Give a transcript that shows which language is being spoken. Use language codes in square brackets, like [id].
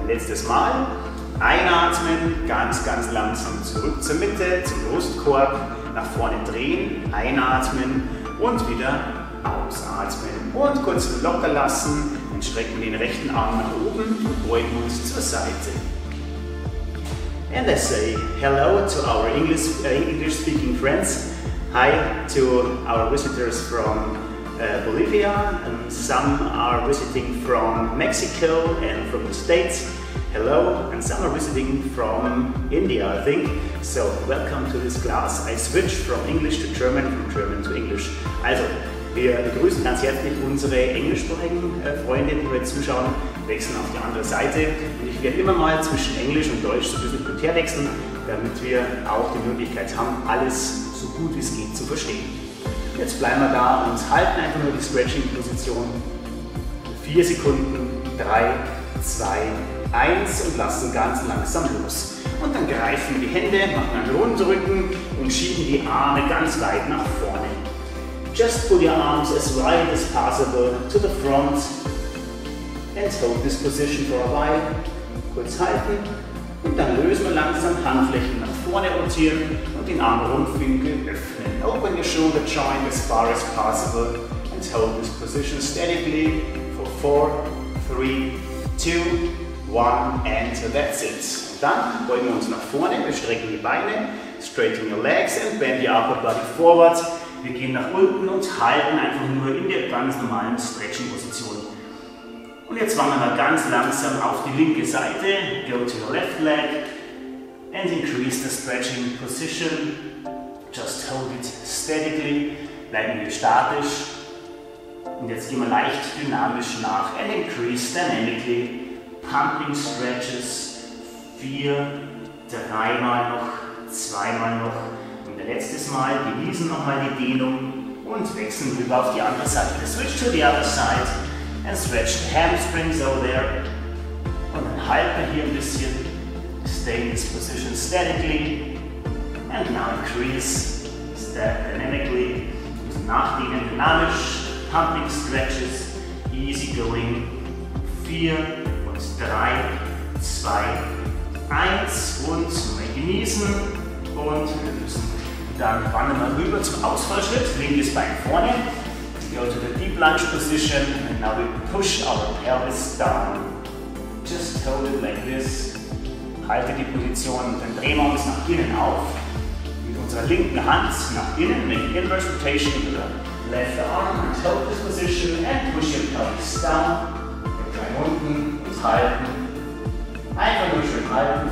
[de] Ein letztes Mal einatmen, ganz, ganz langsam zurück zur Mitte, zum Brustkorb, nach vorne drehen, einatmen und wieder ausatmen. Und kurz locker lassen. Strecken den rechten Arm nach oben und beugen uns zur Seite. [en] And I say hello to our English-speaking friends. Hi to our visitors from Bolivia. And some are visiting from Mexico and from the States. Hello. And some are visiting from India, I think. So welcome to this class. I switch from English to German, from German to English. [de] Also, wir begrüßen ganz herzlich unsere englischsprachigen Freunde, die heute zuschauen, wechseln auf die andere Seite. Und ich werde immer mal zwischen Englisch und Deutsch so ein bisschen hin und her wechseln, damit wir auch die Möglichkeit haben, alles so gut wie es geht zu verstehen. Jetzt bleiben wir da und halten einfach nur die Stretching-Position. 4 Sekunden, 3, 2, 1 und lassen ganz langsam los. Und dann greifen wir die Hände, machen einen runden Rücken und schieben die Arme ganz weit nach vorne. [en] Just pull your arms as wide as possible to the front and hold this position for a while. [de] Kurz halten und dann lösen wir langsam Handflächen nach vorne rotieren und den Armrundwinkel öffnen. [en] Open your shoulder joint as far as possible and hold this position steadily for 4, 3, 2, 1 and that's it. [de] Dann beugen wir uns nach vorne, wir strecken die Beine, [en] straighten your legs and bend the upper body forward. [de] Wir gehen nach unten und halten einfach nur in der ganz normalen Stretching-Position. Und jetzt wandern wir ganz langsam auf die linke Seite. [en] Go to your left leg and increase the stretching position. Just hold it steadily. [de] Bleiben wir statisch. [en] Und jetzt gehen wir leicht dynamisch nach and increase dynamically. Pumping stretches. 4, 3 mal noch, 2 mal noch. [de] Letztes Mal genießen nochmal die Dehnung und wechseln rüber auf die andere Seite. [en] Switch to the other side and stretch the hamstrings over there. [de] Und dann halten wir hier ein bisschen. [en] Stay in this position statically. And now increase step dynamically. [de] Und nachdehnen dynamisch. [en] Pumping stretches. Easy going. [de] 4 und 3, 2, 1 und mal genießen. Und wir müssen. Dann wandern wir rüber zum Ausfallschritt, linkes Bein vorne. [en] Go to the deep lunge position and now we push our pelvis down. Just hold it like this. [de] Halte die Position und dann drehen wir uns nach innen auf. Mit unserer linken Hand nach innen, [en] make inverse rotation with the left arm and hold this position and push your pelvis down. [de] Drei Runden und halten. Einfach nur schön halten.